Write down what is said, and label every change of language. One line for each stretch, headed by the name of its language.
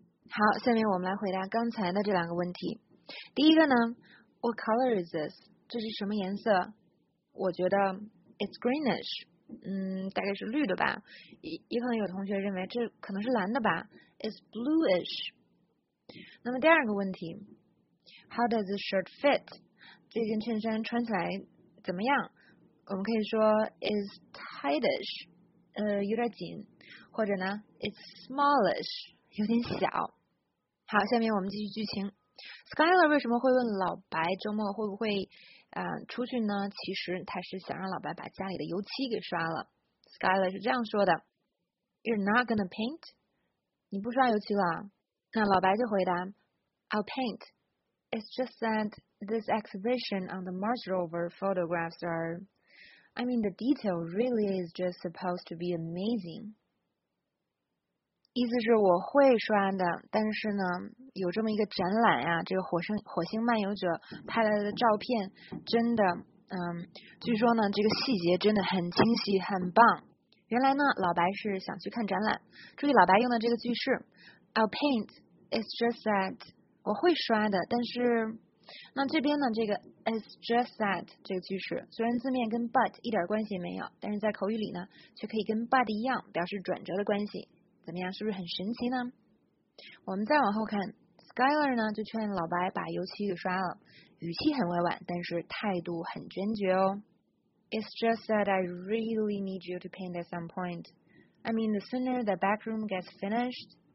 Chinese: 好，下面我们来回答刚才的这两个问题。第一个呢
English: ，What color is this？
Chinese: 这是什么颜色？我觉得
English: it's greenish，
Chinese: 大概是绿的吧。也可能有同学认为这可能是蓝的吧 ，
English: it's bluish。
Chinese: 那么第二个问题
English: ，How does the shirt fit？
Chinese: 这件衬衫穿起来怎么样？我们可以说
English: it's tightish，
Chinese: 有点紧，或者呢
English: it's smallish。
Chinese: 有点小。好，下面我们继续剧情。Skylar 为什么会问老白周末会不会出去呢？其实他是想让老白把家里的油漆给刷了。
English: Skylar
Chinese: 是这样说的
English: ：“You're not gonna paint？
Chinese: 你不刷油漆了？” 那老白就回答
English: ：“I'll paint. It's just that this exhibition on the Mars rover photographs are, I mean, the detail really is just supposed to be amazing.”
Chinese: 意思是我会刷的，但是呢，有这么一个展览啊，这个火星漫游者拍来的照片，真的，据说呢，这个细节真的很清晰，很棒。原来呢，老白是想去看展览。注意老白用的这个句式 ，
English: I'll paint. It's just that
Chinese: 我会刷的，但是，那这边呢，这个
English: it's just that
Chinese: 这个句式，虽然字面跟 but 一点关系也没有，但是在口语里呢，却可以跟 but 一样表示转折的关系。怎么样，是不是很神奇呢？我们再往后看 ，Skylar 呢就劝老白把油漆给刷了，语气很委婉，但是态度很坚决哦。
English: It's just that I really need you to paint at some point. I mean, the sooner the back room gets finished.